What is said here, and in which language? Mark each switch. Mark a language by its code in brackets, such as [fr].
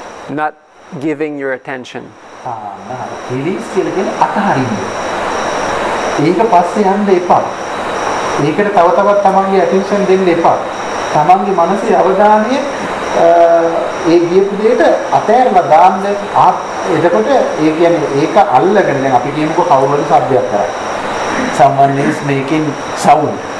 [en] Not giving your attention. [si] Release කියලා කියන්නේ අතහරින්න. ඒක පස්සේ යන්න එපා. ඒකට තව තවත් තමන්ගේ attention දෙන්න එපා. තමන්ගේ මනසේ අවධානය ඒ ගියපු දෙයට අතෑරලා දාන්න. එතකොට ඒ කියන්නේ ඒක අල්ලගෙන දැන් අපි කියමුකෝ කවුරුහරි සබ්ජෙක්ට් කරා. [en] Someone is making sound.